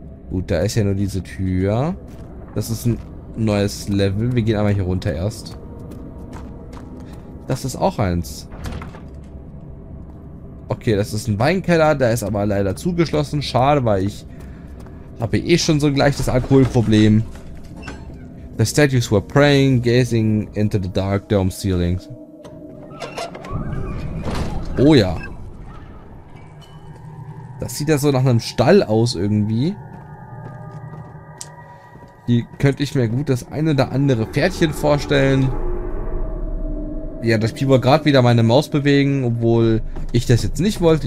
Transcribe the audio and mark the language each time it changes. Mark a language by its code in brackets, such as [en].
[de] Gut, da ist ja nur diese Tür. Das ist ein neues Level. Wir gehen einmal hier runter erst. Das ist auch eins. Okay, das ist ein Weinkeller. Der ist aber leider zugeschlossen. Schade, weil ich habe eh schon so ein leichtes Alkoholproblem. [en] The statues were praying, gazing into the dark dome ceilings. [de] Oh ja. Das sieht ja so nach einem Stall aus irgendwie. Hier könnte ich mir gut das eine oder andere Pferdchen vorstellen. Ja, das Spiel wollte gerade wieder meine Maus bewegen, obwohl ich das jetzt nicht wollte.